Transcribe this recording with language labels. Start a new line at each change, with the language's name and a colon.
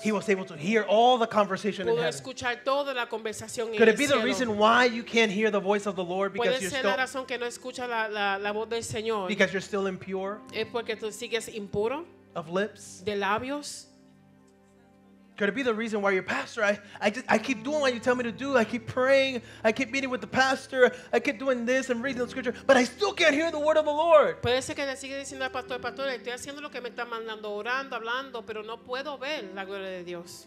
English: he was able to hear all the conversation
Spanish: pudo
English: in heaven.
Spanish: Escuchar toda la conversación
English: could it be
Spanish: cielo?
English: The reason why you can't hear the voice of the Lord because you're still
Spanish: la razón que no escucha la voz del Señor?
English: Because you're still impure
Spanish: es porque tú sigues impuro
English: of lips
Spanish: de labios.
English: Could it be the reason why your pastor, I keep doing what you tell me to do, I keep praying, I keep meeting with the pastor, I keep doing this and reading the scripture, but I still can't hear the word of the Lord.
Spanish: Puede ser que le sigue diciendo al pastor, estoy haciendo lo que me está mandando, orando, hablando, pero no puedo ver la gloria de Dios.